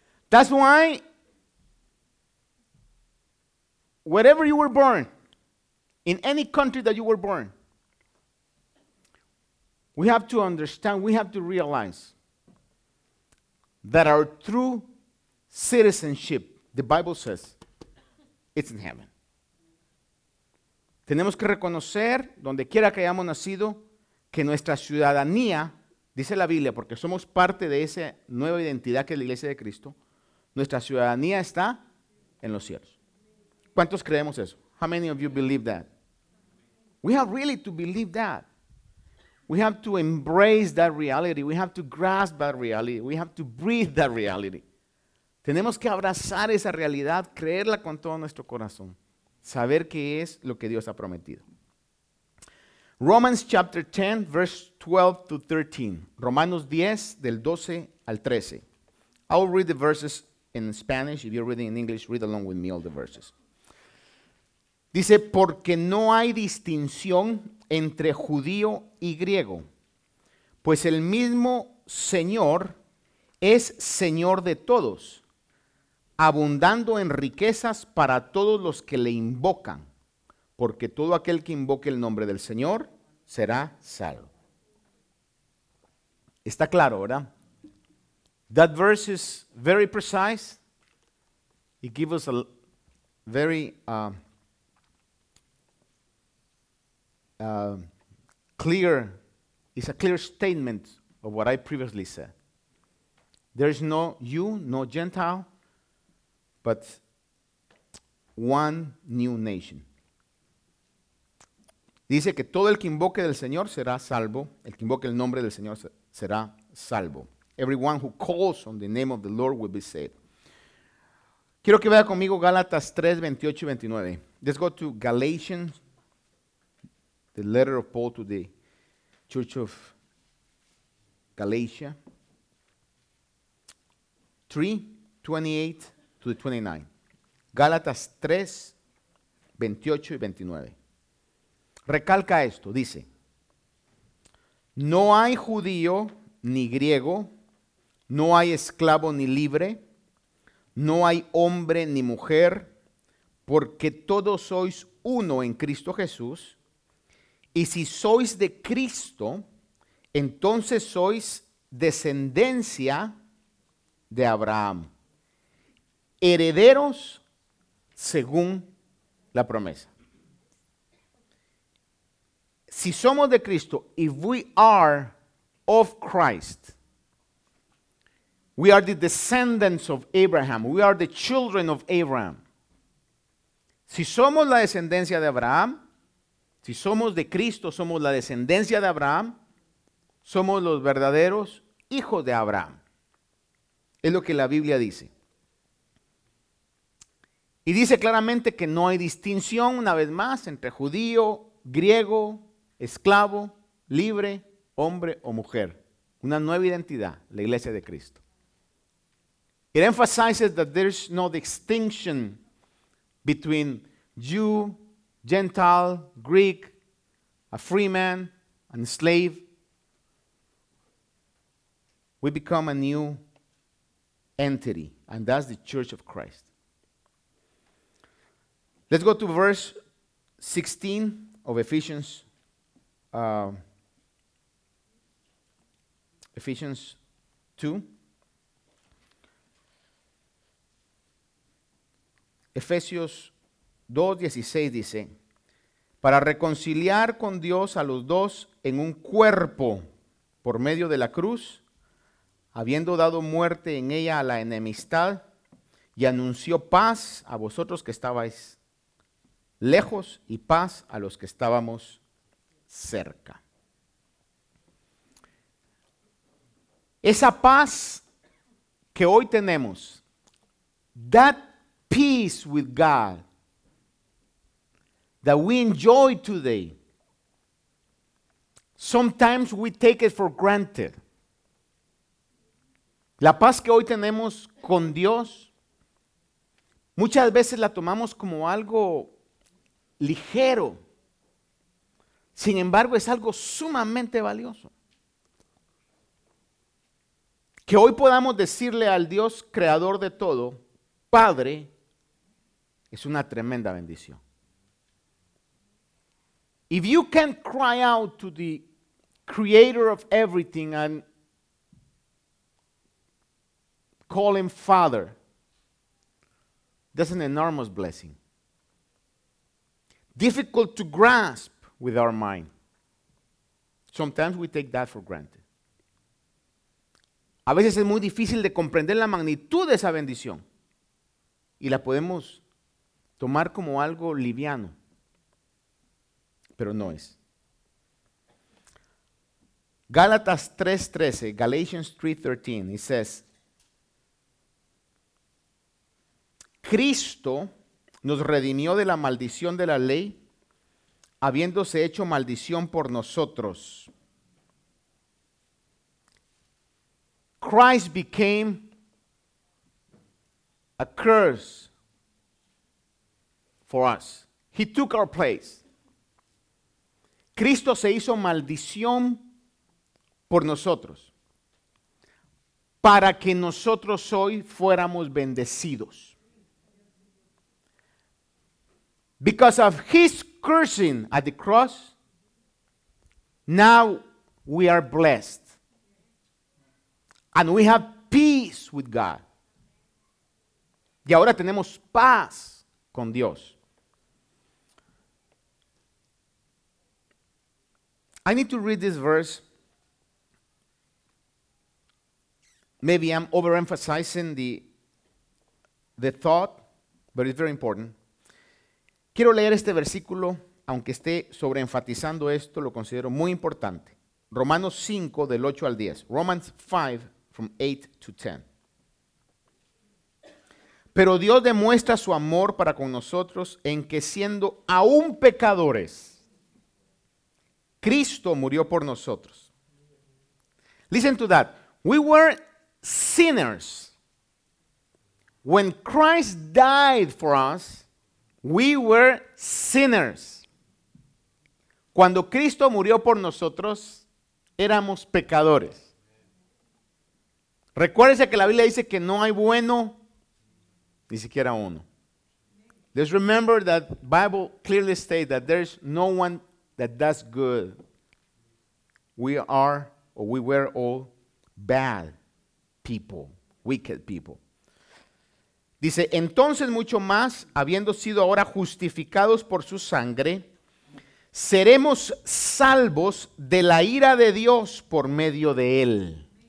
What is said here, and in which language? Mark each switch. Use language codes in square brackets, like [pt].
[en] That's why, wherever you were born, in any country that you were born, we have to understand, we have to realize that our true citizenship, the Bible says, it's in heaven. [es] Tenemos que reconocer, donde quiera que hayamos nacido, que nuestra ciudadanía, dice la Biblia, porque somos parte de esa nueva identidad que es la iglesia de Cristo, nuestra ciudadanía está en los cielos. ¿Cuántos creemos eso? [en] How many of you believe that? We have really to believe that. We have to embrace that reality. We have to grasp that reality. We have to breathe that reality. [es] Tenemos que abrazar esa realidad, creerla con todo nuestro corazón. Saber qué es lo que Dios ha prometido. [en] Romans chapter 10, verse 12 to 13. [es] Romanos 10, del 12 al 13. [en] I'll read the verses in Spanish. If you're reading in English, read along with me all the verses. [es] Dice, porque no hay distinción entre judío y griego, pues el mismo Señor es Señor de todos, abundando en riquezas para todos los que le invocan, porque todo aquel que invoque el nombre del Señor será salvo. Está claro, ¿verdad? [en] That verse is very precise. It gives us a very clear, it's a clear statement of what I previously said. There is no Jew, no Gentile, but one new nation. [es] Dice que todo el que invoque del Señor será salvo. El que invoque el nombre del Señor será salvo. [en] Everyone who calls on the name of the Lord will be saved. [es] Quiero que vaya conmigo Gálatas 3, 28 y 29. [en] Let's go to Galatians, the letter of Paul to the church of Galatia. 3:28 to the 29. [es] Gálatas 3, 28 y 29. Recalca esto, dice: no hay judío ni griego, no hay esclavo ni libre, no hay hombre ni mujer, porque todos sois uno en Cristo Jesús. Y si sois de Cristo, entonces sois descendencia de Abraham, herederos según la promesa. Si somos de Cristo, [en] if we are of Christ, we are the descendants of Abraham, we are the children of Abraham. [es] Si somos la descendencia de Abraham, si somos de Cristo, somos la descendencia de Abraham, somos los verdaderos hijos de Abraham. Es lo que la Biblia dice. Y dice claramente que no hay distinción, una vez más, entre judío, griego, esclavo, libre, hombre o mujer. Una nueva identidad, la iglesia de Cristo. [en] It emphasizes that there's no distinction between Jew, Gentile, Greek, a free man, and slave. We become a new entity, and that's the Church of Christ. Let's go to verse 16 of Ephesians. Ephesians 2. [es] Efesios 2:16 dice: para reconciliar con Dios a los dos en un cuerpo por medio de la cruz, habiendo dado muerte en ella a la enemistad, y anunció paz a vosotros que estabais lejos y paz a los que estábamos cerca. Esa paz que hoy tenemos, [en] that peace with God that we enjoy today, sometimes we take it for granted. [es] La paz que hoy tenemos con Dios, muchas veces la tomamos como algo ligero. Sin embargo, es algo sumamente valioso. Que hoy podamos decirle al Dios creador de todo, Padre, es una tremenda bendición. [en] If you can cry out to the creator of everything and call him Father, that's an enormous blessing. Difficult to grasp with our mind. Sometimes we take that for granted. [es] A veces es muy difícil de comprender la magnitud de esa bendición. Y la podemos tomar como algo liviano, pero no es. Gálatas 3:13, [en] Galatians 3:13, it says: [es] Cristo nos redimió de la maldición de la ley, habiéndose hecho maldición por nosotros. [en] Christ became a curse for us. He took our place. [es] Cristo se hizo maldición por nosotros. para que nosotros hoy fuéramos bendecidos. [en] Because of his cursing at the cross, now we are blessed. And we have peace with God. [es] Y ahora tenemos paz con Dios. [en] I need to read this verse. Maybe I'm overemphasizing the thought, but it's very important. [es] Quiero leer este versículo, aunque esté sobreenfatizando esto, lo considero muy importante. Romanos 5, del 8 al 10. [en] Romans 5, from 8 to 10. [es] Pero Dios demuestra su amor para con nosotros en que siendo aún pecadores, Cristo murió por nosotros. [en] Listen to that. We were sinners. When Christ died for us, we were sinners. [es] Cuando Cristo murió por nosotros, éramos pecadores. Recuérdense que la Biblia dice que no hay bueno, ni siquiera uno. [en] Just remember that Bible clearly states that there is no one that does good. We are, or we were all bad people, wicked people. [es] Dice, entonces mucho más, habiendo sido ahora justificados por su sangre, seremos salvos de la ira de Dios por medio de él.